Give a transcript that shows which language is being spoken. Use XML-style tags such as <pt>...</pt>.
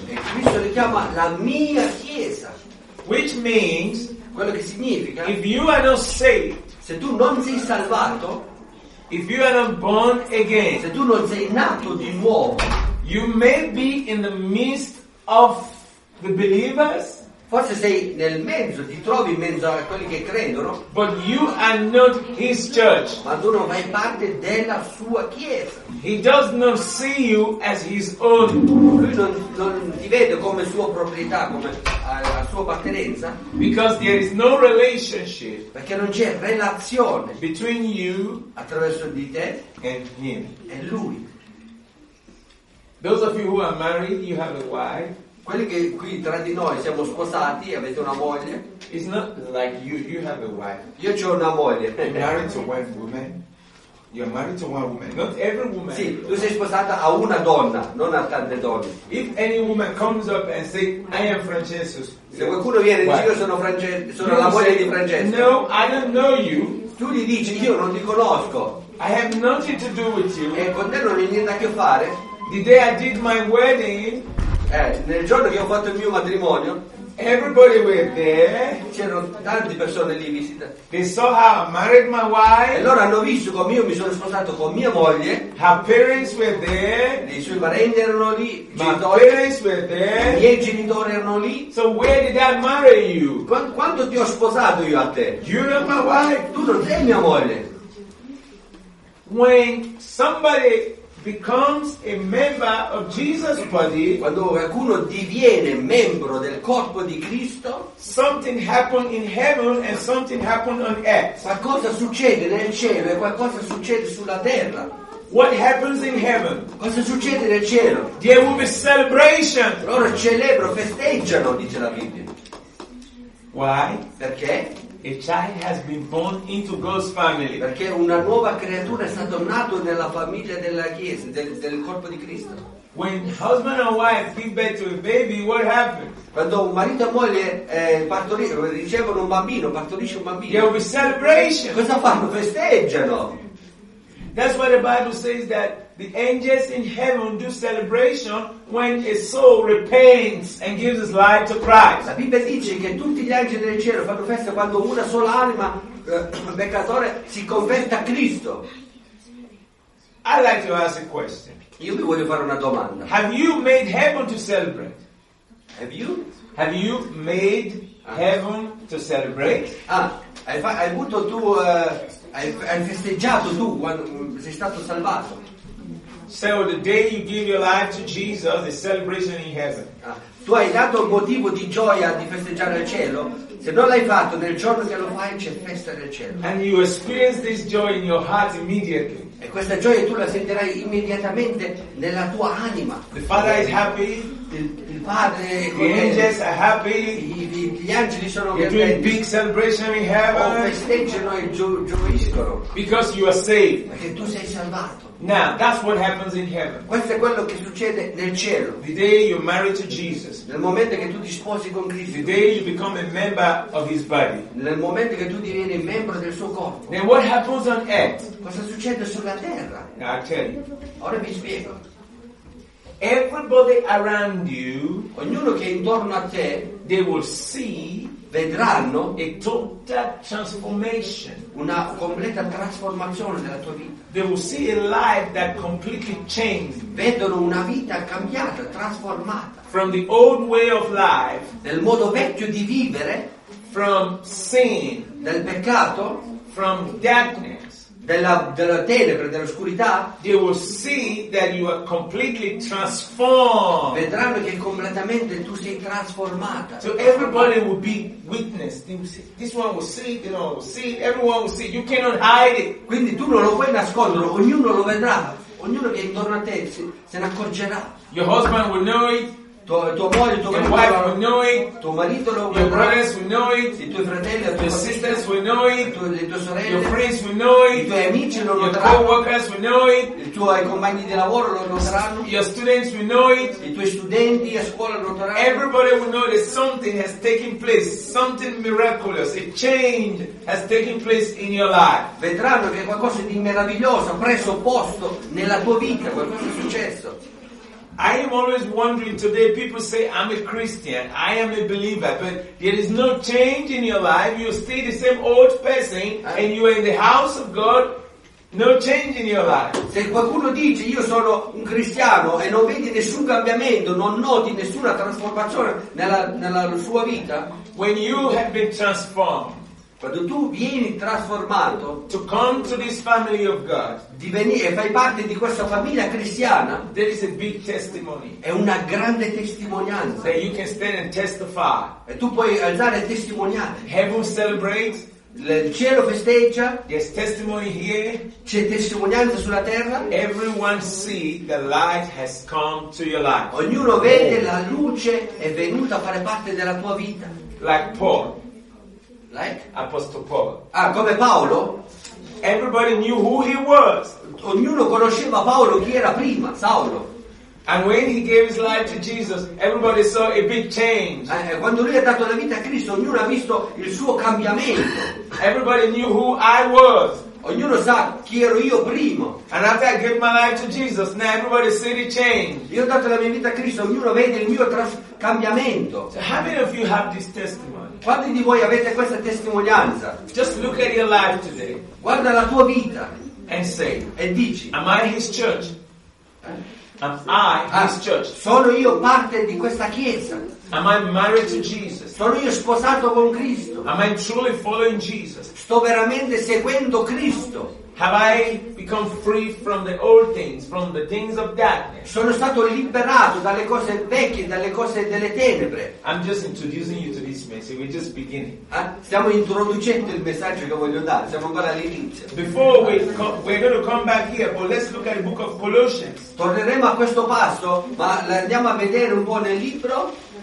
<it>E Cristo li chiama la mia chiesa.</it> <en>Which means,</en> <it>quello che significa,</it> <en>if you are not saved,</en> <it>se tu non sei salvato,</it> <en>if you are not born again,</en> <it>se tu non sei nato di nuovo,</it> <en>you may be in the midst of the believers.</en> <it>Forse sei nel mezzo, ti trovi in mezzo a quelli che credono.</it> <en>But you are not his church.</en> <it>Ma tu non fai parte della sua chiesa.</it> <en>He does not see you as his own.</en> <it>Lui non ti vede come sua proprietà, come la sua appartenenza.</it> <en>Because there is no relationship.</en> <it>Perché non c'è relazione</it> <en>between you,</en> <it>attraverso di te,</it> <en>and him,</en> <it>e lui.</it> <en>Those of you who are married, you have a wife.</en> <it>Quelli che qui tra di noi siamo sposati, avete una moglie.</it> <en>It's not like you have a wife.</en> <it>Io ho una moglie.</it> <en>You're married to one woman. You're married to one woman. Not every woman.</en> <it>Sì, tu sei sposata a una donna, non a tante donne.</it> <en>If any woman comes up and say, I am Francesco.</en> <it>Se qualcuno viene e dice, io sono Francesco, sono la moglie di Francesco.</it> <en>No, I don't know you.</en> <it>Tu gli dici, io non ti conosco.</it> <en>I have nothing to do with you.</en> <it>E con te non ho niente a che fare.</it> <en>The day I did my wedding.</en> <it>Nel giorno che ho fatto il mio matrimonio,</it> <en>everybody were there.</en> <it>C'erano tante persone lì visitate.</it> <en>They saw how I married my wife.</en> <it>E loro hanno visto come io mi sono sposato con mia moglie.</it> <en>Her parents were there.</en> <it>I suoi parenti erano lì.</it> <en>Parents were there.</en> <it>I miei genitori erano lì.</it> <en>So where did I marry you?</en> <it>Quando ti ho sposato io a te?</it> <en>You're not my wife.</en> <it>Tu non sei mia moglie.</it> <en>When somebody becomes a member of Jesus' body,</en> <it>quando qualcuno diviene membro del corpo di Cristo,</it> <en>something happened in heaven and something happened on earth.</en> <it>Qualcosa succede nel cielo e qualcosa succede sulla terra.</it> <en>What happens in heaven?</en> <it>Cosa succede nel cielo?</it> <en>There will be celebration.</en> <it>Loro celebrano, festeggiano, dice la Bibbia.</it> <en>Why?</en> <it>Perché?</it> <en>A child has been born into God's family.</en> <it>Perché una nuova creatura è stata nata nella famiglia della Chiesa, del corpo di Cristo.</it> <en>When husband and wife give birth to a baby, what happens?</en> <it>Quando un marito e moglie ricevono un bambino, partorisce un bambino.</it> <en>There will be celebration.</en> <it>Cosa fanno? Festeggiano.</it> <en>That's why the Bible says that the angels in heaven do celebration when a soul repents and gives his life to Christ.</en> <it>La Bibbia dice che tutti gli angeli del cielo fanno festa quando una sola anima peccatore si converte a Cristo.</it> <en>I'd like to ask a question.</en> <it>Io vi voglio fare una domanda.</it> <en>Have you made heaven to celebrate? Have you made heaven to celebrate?</en> <it>Hai festeggiato tu quando sei stato salvato?</it> <en>So the day you give your life to Jesus, the celebration in heaven.</en> <it>Tu hai dato il motivo di gioia di festeggiare il cielo? Se non l'hai fatto, nel giorno che lo fai c'è festa nel cielo.</it> <en>And you experience this joy in your heart immediately.</en> <it>E questa gioia tu la sentirai immediatamente nella tua anima.</it> <en>The Father is happy.</en> <it>Il Padre.</it> <en>The angels are happy.</en> <it>Gli angeli sono contenti.</it> <en>You're doing big celebration in heaven.</en> <it>Festeggiano e gioiscono.</it> <en>Because you are saved.</en> <it>Perché tu sei salvato.</it> <en>Now that's what happens in heaven.</en> <it>Questo è quello che succede nel cielo.</it> <en>The day you marry to Jesus.</en> <it>Nel momento che tu ti sposi con Cristo.</it> <en>The day you become a member of His body.</en> <it>Nel momento che tu divieni membro del suo corpo.</it> <en>Then what happens on earth?</en> <it>Cosa succede sulla terra?</it> <en>Now I tell you.</en> <it>Ora vi spiego.</it> <en>Everybody around you,</en> <it>ognuno che è intorno a te,</it> <en>they will see,</en> <it>vedranno</it> <en>a total transformation,</en> <it>una completa trasformazione della tua vita.</it> <en>They will see a life that completely changed,</en> <it>vedono una vita cambiata, trasformata.</it> <en>From the old way of life,</en> <it>del modo vecchio di vivere,</it> <en>from sin,</en> <it>dal peccato,</it> <en>from darkness.</en> <it>Della tenebra, dell'oscurità,</it> <en>they will see that you are completely transformed.</en> <it>Vedranno che completamente tu sei trasformata.</it> <en>So everybody will be witness. They will see. This one will see, this one will see, everyone will see. You cannot hide it.</en> <it>Quindi tu non lo puoi nascondere, ognuno lo vedrà. Ognuno che è intorno a te se ne accorgerà.</it> <en>Your husband will know it.</en> <it>Tua moglie, tua</it> <en>your wife will know it.</en> <it>Tuo marito lo</it> <en>your brothers will know it.</en> <it>I tuoi fratelli,</it> <en>your sisters will know it.</en> <it>Le tue sorelle,</it> <en>your friends will know it.</en> <it>I tuoi amici lo</it> <en>your co-workers will know it.</en> <it>I tuoi compagni di lavoro lo noteranno.</it> <en>Your students will know it.</en> <it>I tuoi studenti a scuola lo noteranno.</it> <en>Everybody will know that something has taken place, something miraculous, a change has taken place in your life.</en> <it>Vedranno che qualcosa di meraviglioso ha preso posto nella tua vita, qualcosa è successo.</it> <en>I am always wondering today, people say, I'm a Christian, I am a believer, but there is no change in your life, you're still the same old person, and you are in the house of God, no change in your life.</en> <it>Se qualcuno dice, io sono un cristiano, e non vedi nessun cambiamento, non noti nessuna trasformazione nella sua vita,</it> <en>when you have been transformed,</en> <it>quando tu vieni trasformato,</it> <en>to come to this family of God,</en> <it>di venire e fai parte di questa famiglia cristiana,</it> <en>there is a big testimony.</en> <it>È una grande testimonianza.</it> <en>That you can stand and testify.</en> <it>E tu puoi alzare e testimoniare.</it> <en>Heaven celebrates.</en> <it>Il cielo festeggia.</it> <en>There's testimony here.</en> <it>C'è testimonianza sulla terra.</it> <en>Everyone see the light has come to your life.</en> <it>Ognuno vede la luce è venuta a fare parte della tua vita.</it> <en>Like Paul. Like? Apostle Paul.</en> <it>Ah, come Paolo?</it> <en>Everybody knew who he was.</en> <it>Ognuno conosceva Paolo chi era prima, Saulo.</it> <en>And when he gave his life to Jesus, everybody saw a big change.</en> <it>Quando lui ha dato la vita a Cristo, ognuno ha visto il suo cambiamento.</it> <en>Everybody knew who I was.</en> <it>Ognuno sa chi ero io prima.</it> <en>And after I gave my life to Jesus, now everybody see the change.</en> <it>Io ho dato la mia vita a Cristo, ognuno vede il mio cambiamento.</it> <en>So how many of you have this testimony?</en> <it>Quanti di voi avete questa testimonianza?</it> <en>Just look at your life today.</en> <it>Guarda la tua vita.</it> <en>And say.</en> <it>E dici.</it> <en>Am I his church? Am I his church?</en> <it>Sono io parte di questa chiesa.</it> <en>Am I married to Jesus?</en> <it>Sono io sposato con Cristo.</it> <en>Am I truly following Jesus?</en> <it>Sto veramente seguendo Cristo.</it> <en>Have I become free from the old things, from the things of darkness?</en> <it>Sono stato liberato dalle cose vecchie, dalle cose delle tenebre.</it> <en>I'm just introducing you to this message. We're just beginning.</en> <it>Stiamo introducendo il messaggio che voglio dare. Siamo ancora all'inizio.</it> <en>Before we're going to come back here, but let's look at the book of Colossians.</en> <it>Torneremo a questo passo, ma andiamo a vedere un po' nel libro.</it>